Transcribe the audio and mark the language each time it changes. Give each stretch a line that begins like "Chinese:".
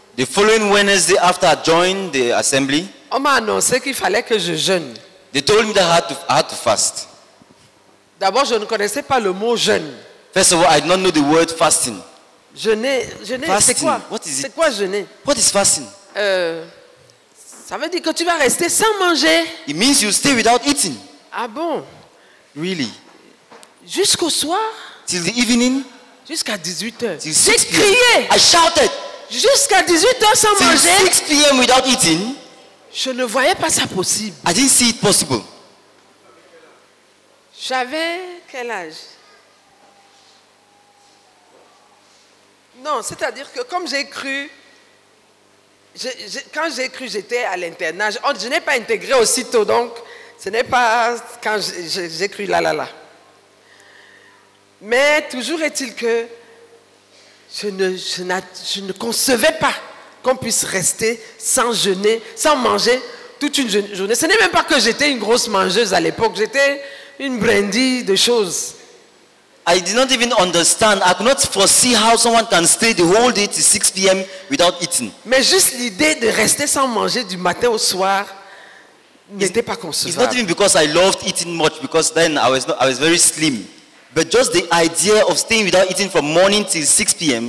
English: the following Wednesday after I joined the assembly,
French: on m'a annoncé qu'il fallait que je jeûne.
English: They told me that I had to fast.
French: D'abord, je ne connaissais pas le mot jeûne.
English: First of all, I did not know the word fasting.
French: Jeûner, fasting. C'est quoi?
English: What is it?
French: C'est quoi jeûner?
English: What is fasting?
French: Ça veut dire que tu vas rester sans manger.
English: It means you stay without eating.
French: Ah bon?
English: Really?
French: Jusqu'au soir?
English: Till the evening?
French: Jusqu'à 18h.
English: Till 6 p.m.
French: J'ai crié.
English: I shouted.
French: Jusqu'à 18h sans
English: till
French: manger.
English: Till 6 p.m. without eating?
French: Je ne voyais pas ça possible.
English: I didn't see it possible.
French: J'avais quel âge? Non, c'est-à-dire que comme j'ai cru, quand j'ai cru, j'étais à l'internat. Je n'ai pas intégré aussitôt, donc ce n'est pas quand j'ai cru là. Mais toujours est-il que je ne concevais pas qu'on puisse rester sans jeûner, sans manger toute une journée. Ce n'est même pas que j'étais une grosse mangeuse à l'époque, j'étais une brindille de choses.
English: I did not even understand. I could not foresee how someone can stay the whole day till 6 p.m. without eating.
French: Mais juste l'idée de rester sans manger du matin au soir n'était pas concevable.
English: It's not even because I loved eating much, because then I was very slim. But just the idea of staying without eating from morning till 6 p.m.